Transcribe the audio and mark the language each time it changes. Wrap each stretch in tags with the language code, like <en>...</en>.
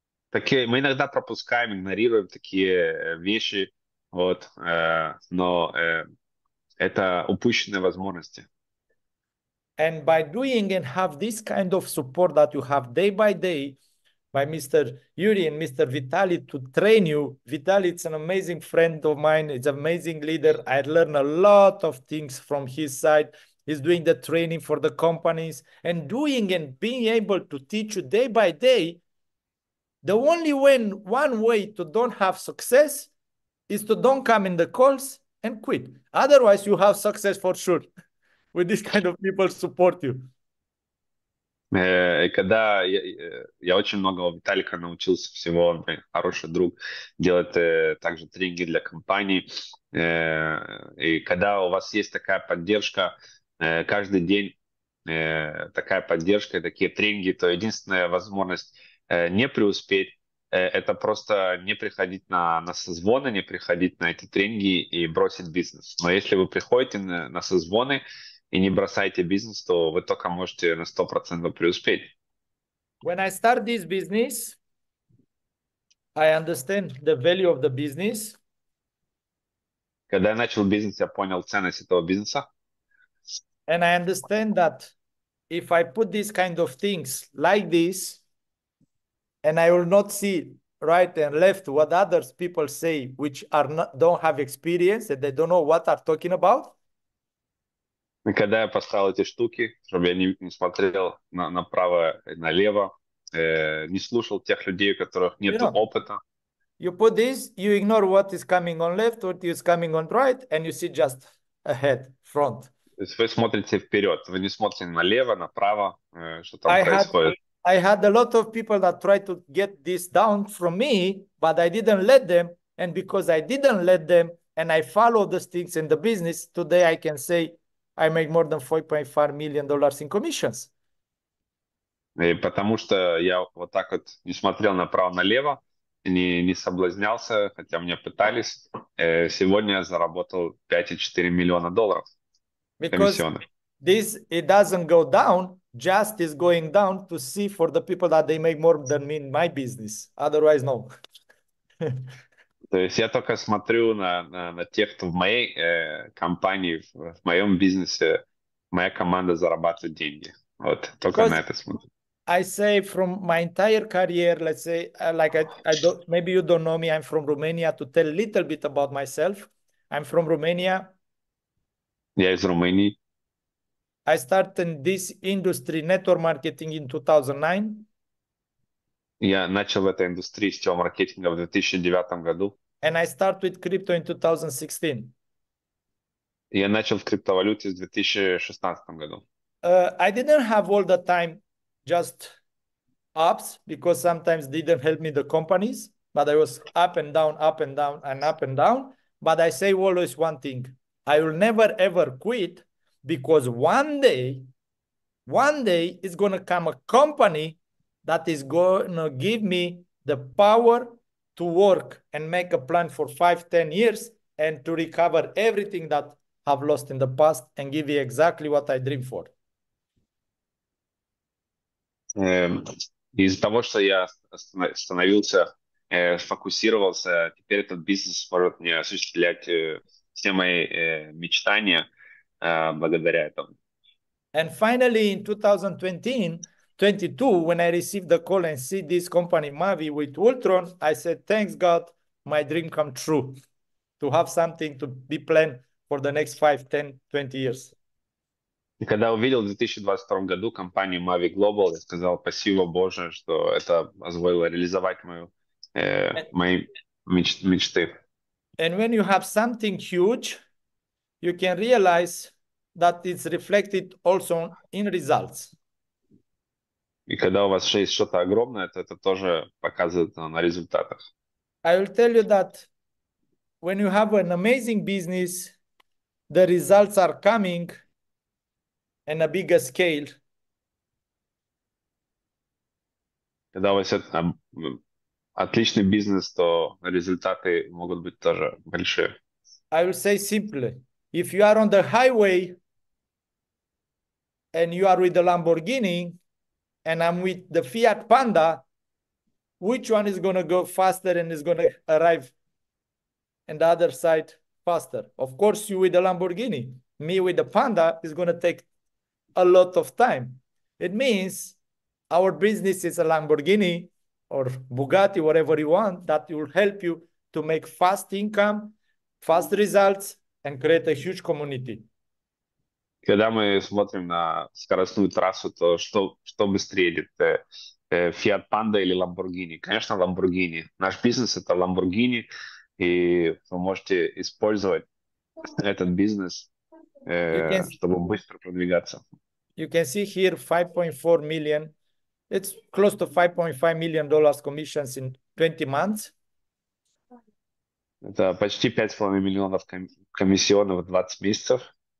<ru>Такие, мы иногда пропускаем, игнорируем такие вещи, вот, но это упущенные возможности.</ru> <en>And by doing and have this kind of support that you have day by day by Mr. Yuri and Mr. Vitaly to train you. Vitaly, it's an amazing friend of mine. It's an amazing leader. I learned a lot of things from his side. He's doing the training for the companies and doing and being able to teach you day by day. The only way, one way to don't have success is to don't come in the calls and quit. Otherwise, you have success for sure with this kind of people support you.</en> <ru>И когда я очень много у Виталика научился всего, он мой хороший друг, делает также тренинги для компаний. И когда у вас есть такая поддержка, каждый день такая поддержка и такие тренинги, то единственная возможность не преуспеть, это просто не приходить на созвоны, не приходить на эти тренинги и бросить бизнес. Но если вы приходите на созвоны, и не бросайте бизнес, то вы только можете на 100% преуспеть.</ru> <en>When I start this business, I understand the value of the business.</en> <ru>Когда я начал бизнес, я понял ценность этого бизнеса.</ru> <en>And I understand that if I put these kind of things like this, and I will not see right and left what other people say, which are not, don't have experience, that they don't know what are talking about.</en> <ru>И когда я поставил эти штуки, чтобы я не смотрел направо и налево, не слушал тех людей, у которых нет опыта.</ru> <en>You put this, you ignore what is coming on left, what is coming on right, and you see just ahead, front.</en> <ru>То есть вы смотрите вперед, вы не смотрите налево, направо, что там происходит.</ru> <en>I had a lot of people that tried to get this down from me, but I didn't let them, and because I didn't let them, and I follow those things in the business, today I can say I make more than $4.5 million in commissions.</en> <ru>И потому что я вот так вот не смотрел направо-налево, не соблазнялся, хотя мне пытались, сегодня я заработал 5,4 миллиона долларов комиссионных.</ru> <en>This it doesn't go down, just is going down to see for the people that they make more than me in my business. Otherwise, no.</en> <ru>То есть я только смотрю на тех, кто в моей компании, в моем бизнесе, моя команда зарабатывает деньги. Вот, только</ru> <en>because</en> <ru>на это смотрю.</ru> <en>I say from my entire career, let's say, like I don't, maybe you don't know me, I'm from Romania, to tell a little bit about myself. I'm from Romania.</en> <ru>Я из Румынии.</ru> <en>I started this industry network marketing in 2009.</en> <ru>Я начал в этой индустрии сетевого маркетинга в 2009 году.</ru> <en>And I started with crypto in 2016.</en> <ru>Я начал в криптовалюте в 2016 году.</ru> <en>I didn't have all the time just ups, because sometimes didn't help me the companies, but I was up and down, up and down, and up and down. But I say always one thing, I will never ever quit, because one day is going to come a company that is going to give me the power to work and make a plan for 5-10 years and to recover everything that I've lost in the past and give me exactly what I dream for.</en> <ru>Из-за того, что я становился, сфокусировался, теперь этот бизнес может мне осуществлять все мои мечтания благодаря этому.</ru> <en>And finally, in 2022, when I received the call and see this company Mavi with Ultron, I said, thanks God, my dream come true, to have something to be planned for the next 5, 10, 20 years.</en> <ru>И когда увидел в 2022 году компанию Mavi Global, я сказал, спасибо Боже, что это позволило реализовать мои мечты.</ru> <en>And when you have something huge, you can realize that it's reflected also in results.</en> <ru>И когда у вас есть что-то огромное, то это тоже показывает на результатах.</ru> <en>I will tell you that when you have an amazing business, the results are coming and a bigger scale.</en> <ru>Когда у вас отличный бизнес, то результаты могут быть тоже большие.</ru> <en>I will say simply, if you are on the highway and you are with the Lamborghini and I'm with the Fiat Panda, which one is going to go faster and is going to arrive on the other side faster? Of course, you with the Lamborghini. Me with the Panda is going to take a lot of time. It means our business is a Lamborghini or Bugatti, whatever you want, that will help you to make fast income, fast results, and create a huge community.</en> <ru>Когда мы смотрим на скоростную трассу, то что быстрее едет, Fiat Panda или Lamborghini? Конечно, Lamborghini. Наш бизнес это Lamborghini, и вы можете использовать этот бизнес, чтобы быстро продвигаться.</ru> <en>You can see here 5.4 million. It's close to $5.5 million commissions in 20 months.</en> <ru>Это почти 5,5 миллионов комиссионов в 20 месяцев.</ru>